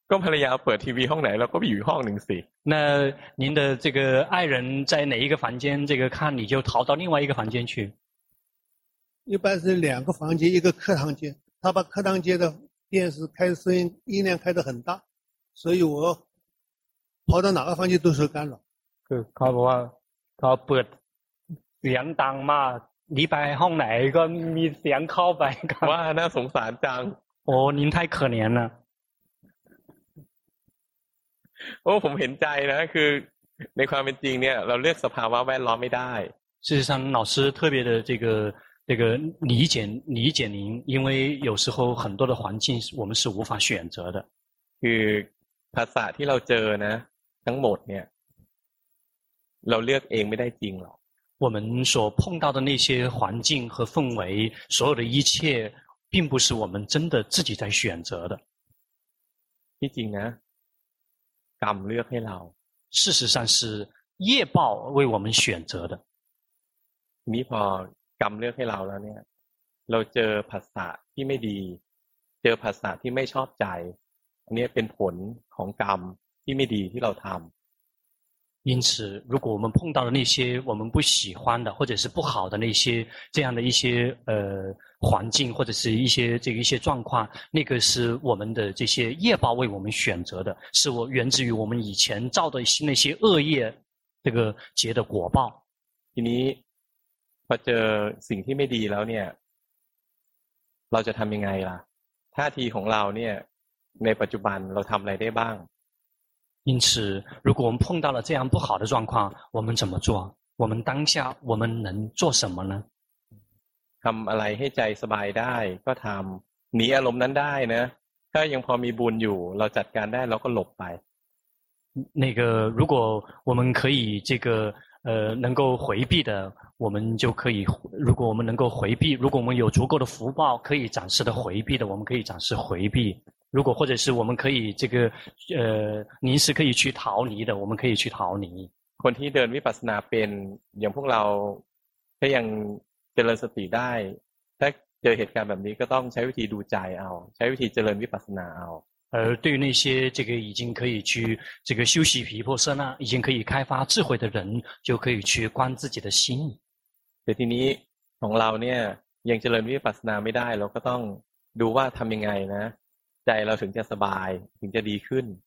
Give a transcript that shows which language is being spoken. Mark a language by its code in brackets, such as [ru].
[th] ก็ภรรยาเปิด TV ห้องไหนเราก็อยู่ห้องนึงสิ [zh] 那您的这个爱人在哪一个房间这个看你就逃到另外一个房间去一般是两个房间一个客堂间他把客堂间的电视开声音音量开得很大所以我跑到哪个房间都受干扰 [th] คือเขาบอกว่าเขาเปิดเสียงดังมากหนีไปห้องไหนก็มีเสียงเข้าไป ว่าน่าสงสารจัง [zh] โอ้您太可怜了哦，我很在意呢，就是 [th] ในความเป็นจริงเนี่ยเราเลือกสภาวะแวดล้อมไม่ได้ [zh] 事实上老师特别的这个理解您，因为有时候很多的环境我们是无法选择的。 [th] คือภาษาที่เราเจอนะทั้งหมดเนี่ยเราเลือกเองไม่ได้จริงหรอก [zh] 我们所碰到的那些环境和氛围，所有的一切，并不是我们真的自己在选择的。 [th] ที่จริงนะกรรมเลือกให้เรา [zh] 事实上是业报为我们选择的。 [th] นี่พอกรรมเลือกให้เราแล้วเนี่ยเราเจอภาษาที่ไม่ดีเจอภาษาที่ไม่ชอบใจนี่เป็นผลของกรรมที่ไม่ดีที่เราทำ [zh] 因此如果我们碰到了那些我们不喜欢的或者是不好的那些这样的一些环境或者是一些这个一些状况那个是我们的这些业报为我们选择的是我源自于我们以前造的那些恶业这个结的果报 [th] ทีนี้พอเจอสิ่งที่ไม่ดีแล้วเนี่ยเราจะทำยังไงล่ะท่าทีของเราเนี่ยในปัจจุบันเราทำอะไรได้บ้าง [zh] 因此如果我们碰到了这样不好的状况我们怎么做我们当下我们能做什么呢 [th] ทำอะไรให้ใจสบายได้ก็ทำหนีอารมณ์นั้นได้นะถ้ายังพอมีบุญอยู่เราจัดการได้เราก็หลบไป [zh] 那个如果我们可以这个能够回避的我们就可以如果我们能够回避如果我们有足够的福报可以暂时的回避的我们可以暂时回避如果或者是我们可以这个临时可以去逃离的我们可以去逃离 [th] คนที่เดินวิปัสสนาเป็นอย่างพวกเราถ้ายังเจริญสติได้ถ้าเจอเหตุการณ์แบบนี้ก็ต้องใช้วิธีดูใจเอาใช้วิธีเจริญวิปัสสนาเอา [zh] 对于那些这个已经可以去这个修习毗婆舍那已经可以开发智慧的人就可以去观自己的心 [th] แต่ทีนี้ของเราเนี่ยยังเจริญวิปัสสนาไม่ได้เราก็ต้องดูว่าทำยังไงนะใจเราถึงจะสบายถึงจะดีขึ้น